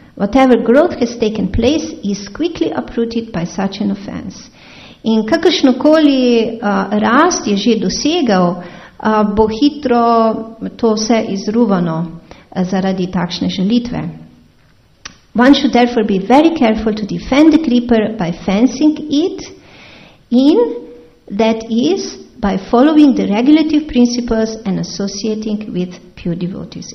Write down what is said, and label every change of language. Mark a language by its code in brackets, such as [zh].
[en] Whatever growth has taken place is quickly uprooted by such an offense. [sl] In kakršnokoli rast je že dosegel, bo hitro to vse izruvano zaradi takšne žalitve. [en] One should therefore be very careful to defend the creeper by fencing it in, that is, by following the regulative principles and associating with pure devotees.